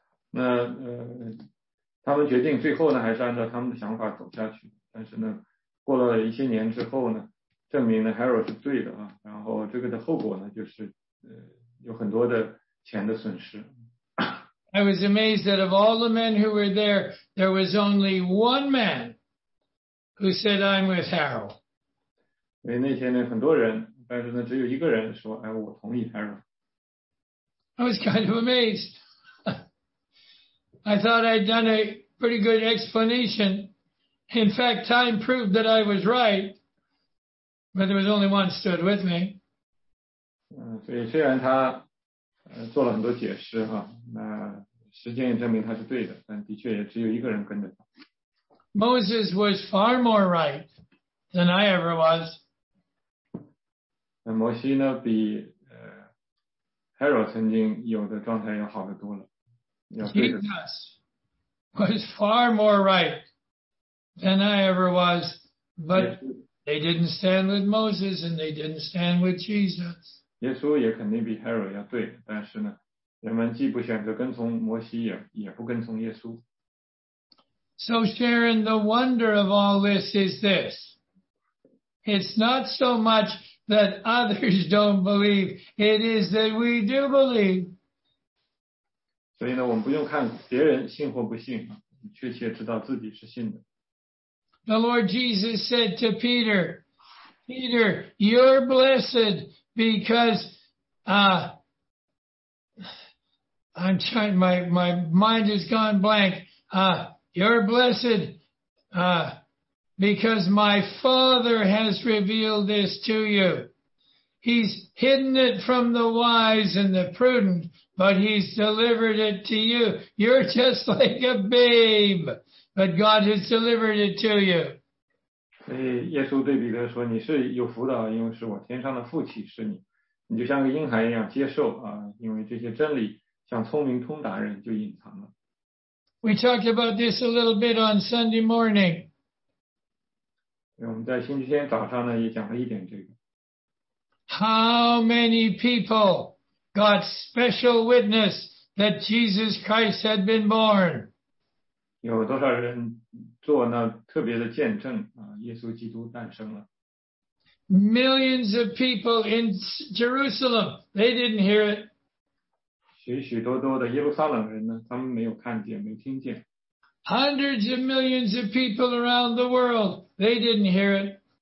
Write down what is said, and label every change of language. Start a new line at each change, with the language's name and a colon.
Chinese: 那他们决定最后呢，还是按照他们的想法走下去。但是呢，过了一些年之后呢，证明呢 ，Harold 是对的啊。然后这个的后果呢，就是有很多的钱的损失。
English: I was amazed that of all the men who were there, there was only one man who said, "I'm with Harold."
Chinese: 所以那天呢，很多人。但是呢，只有一个人说：“哎，我同意 Harold。”
English: I was kind of amazed. I thought I'd done a pretty good explanation. In fact, time proved that I was right. But there was only one stood with me.
Chinese: 所以虽然他做了很多解释哈，那时间也证明他是对的，但的确也只有一个人跟着他。
English: Moses was far more right than I ever was.
Chinese: 摩西呢，比Harold 曾经有的状态要好得多了。
English: Jesus was far more right than I ever was, but they didn't stand with Moses and they didn't stand with Jesus.
Chinese: 耶稣也肯定比 Harold 要对，但是呢，人们既不选择跟从摩西 也不跟从耶稣。
English: So Sharon, the wonder of all this is this. It's not so much that others don't believe, it is that we do believe.
Chinese: 所以呢，我们不用看别人信或不信，确切知道自己是信的。
English: The Lord Jesus said to Peter, Peter, you're blessed because, I'm trying, my mind has gone blank. You're blessed, because my Father has revealed this to you. He's hidden it from the wise and the prudent, but he's delivered it to you. You're just like a babe. But God has delivered it to you.
Chinese: 所以耶稣对彼得说，你是有福的，因为是我天上的父启示你。你就像个婴孩一样接受啊，因为这些真理像聪明通达人就隐藏了。
English: We talked about this a little bit on Sunday morning.
Chinese: 我们在星期天早上呢也讲了一点这个。
English: How many people got special witness that Jesus Christ had been born?
Chinese: 有多少人做那特别的见证啊？耶稣基督诞生了。
English: Millions of people in Jerusalem, they didn't hear it.
Chinese: 许许多多的耶路撒冷人呢，他们没有看见，没听见。
English: Hundreds of millions of people around the world, they didn't hear it.